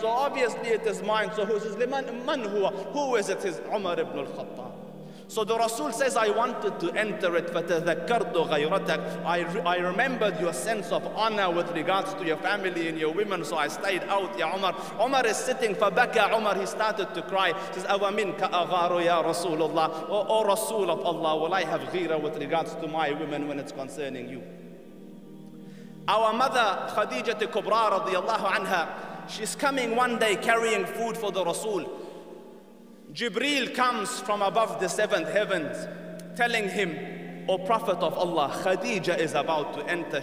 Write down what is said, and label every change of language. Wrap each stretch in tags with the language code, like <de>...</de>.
<en>So obviously it is mine. So who says,</en> <ar>لِمَنْ هُوَ?</ar> <en>Who is it? It says, Umar ibn al-Khattab. So the Rasul says, I wanted to enter it,</en> <ar>فَتَذَكَّرْتُ غَيْرَتَكْ.</ar> <en>I remembered your sense of honor with regards to your family and your women, so I stayed out, Ya Umar. Umar is sitting, فَبَكَى Umar, he started to cry. He says,</en> <ar>أَوَمِنْكَ أَغَارُ يَا رَسُولُ اللَّهِ.</ar> <en>O Rasul of Allah, will I have ghira with regards to my women when it's concerning you? Our mother, Khadija Kubra, radiallahu anha, she's coming one day carrying food for the Rasul. Jibreel comes from above the seventh heavens, telling him, O Prophet of Allah, Khadija is about to enter.</en>